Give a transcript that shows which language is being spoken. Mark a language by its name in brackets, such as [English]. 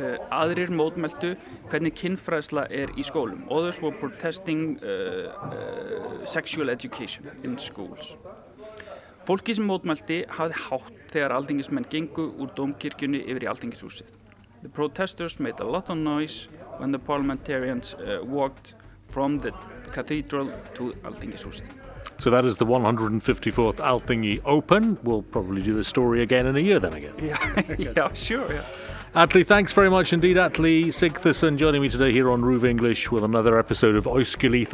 [Icelandic] Aðrir mótmæltu hvernig kynfræðsla í skólum. [English] Others were protesting sexual education in schools. [Icelandic] Fólki sem mótmælti hafði hátt þegar alþingismenn gengu úr dómkirkjunni yfir í alþingishúsið. [English] The protesters made a lot of noise when the parliamentarians walked from the cathedral to alþingishúsið. So that is the 154th Althingi open. We'll probably do the story again in a year then, I guess. Yeah, sure. Atli, thanks very much indeed, Atli Sigthason, joining me today here on Roof English with another episode of AUÐSKILIÐ.